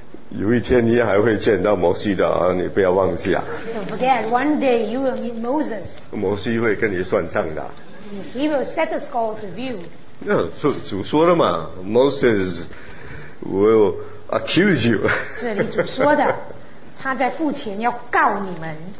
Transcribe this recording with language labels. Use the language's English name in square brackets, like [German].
[Chinese] 有一天你还会见到摩西的啊，你不要忘记啊。 [English] Don't forget, one day you will meet Moses. [Chinese] 摩西会跟你算账的。 [English] He will set the scores with you. [Chinese] 那主说了嘛， [English] Moses will accuse you. [Chinese] 这里主说的，他在父前要告你们。